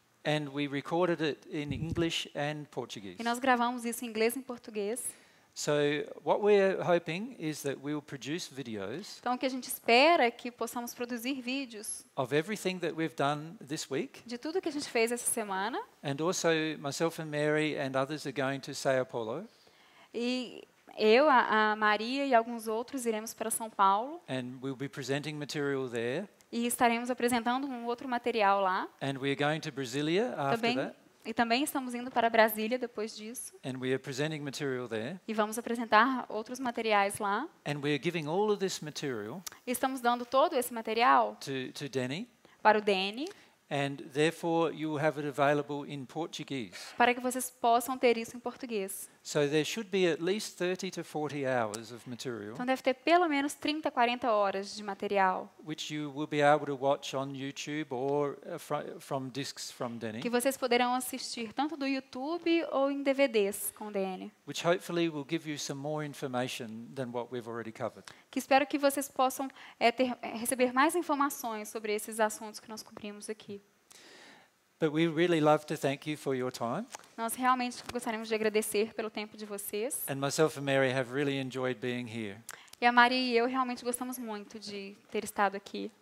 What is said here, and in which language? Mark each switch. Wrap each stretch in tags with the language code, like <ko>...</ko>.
<en>And we recorded it in English and Portuguese.</en> <pt>E nós gravamos isso em inglês e em português.</pt> <en>So what we're hoping is that we will produce videos.</en> <pt>Então o que a gente espera é que possamos produzir vídeos.</pt> <en>Of everything that we've done this week.</en> <pt>De tudo que a gente fez essa semana.</pt> <en>And also myself and Mary and others are going to São Paulo.</en> <pt>E eu, a Maria e alguns outros iremos para São Paulo.</pt> <en>And we'll be presenting material there.</en> <pt>E estaremos apresentando um outro material lá.</pt> <en>And we are going to Brasília after</en> <pt>também,</pt> <en>that.</en> <pt>E também estamos indo para Brasília depois disso.</pt> <en>And we are presenting material there.</en> <pt>E vamos apresentar outros materiais lá.</pt> <en>And we are giving all of this material.</en> <pt>E estamos dando todo esse material.</pt> <en>To Danny.</en> <pt>Para o Danny.</pt> <en>And therefore you will have it available in Portuguese.</en> <pt>Para que vocês possam ter isso em português.</pt> <en>So there should be at least 30 to 40 hours of material.</en> <pt>Então deve ter pelo menos 30 a 40 horas de material.</pt> <en>Which you will be able to watch on YouTube or from discs from Danny.</en> <pt>Que vocês poderão assistir tanto do YouTube ou em DVDs com Danny.</pt> <en>Which hopefully will give you some more information than what we've already covered.</en> <pt>Que espero que vocês possam receber mais informações sobre esses assuntos que nós cobrimos aqui.</pt> <en>But we really love to thank you for your time.</en> <pt>Nós realmente gostaríamos de agradecer pelo tempo de vocês.</pt> <en>And myself and Mary have really enjoyed being here.</en> <pt>E a Maria e eu realmente gostamos muito de ter estado aqui.</pt>